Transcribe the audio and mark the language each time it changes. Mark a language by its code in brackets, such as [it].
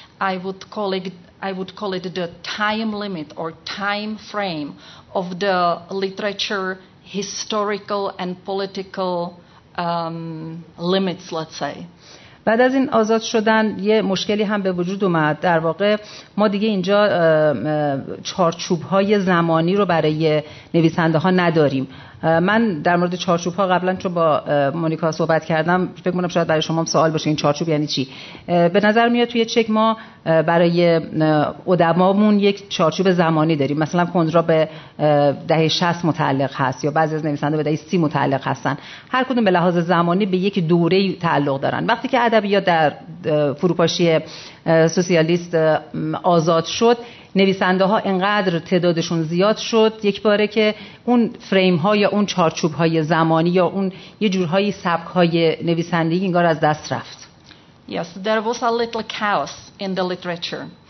[en] I would call it the time limit or time frame of the literature historical and political limits, let's say. [fa] بعد از این آزاد شدن یه مشکلی هم به وجود اومد. در واقع ما دیگه اینجا چارچوب‌های زمانی رو برای نویسنده‌ها نداریم. من در مورد چارچوب‌ها قبلا چون با مونیکا صحبت کردم فکر می‌کنم شاید برای شما هم سوال باشه این چارچوب یعنی چی. به نظر میاد توی چک ما برای ادمامون یک چارچوب زمانی داریم، مثلا کندرا به دهه 60 متعلق هست یا بعضی از نویسنده به دهه 30 متعلق هستن، هر کدوم به لحاظ زمانی به یک دوره تعلق دارن. وقتی که ادبیات در فروپاشی سوسیالیست آزاد شد، نویسنده ها اینقدر تعدادشون زیاد شد یک باره که اون فریم ها یا اون چارچوب های زمانی یا اون یه جورهای سبک های نویسندگی انگار از دست رفت. [en] Yes, there was a little chaos in the literature.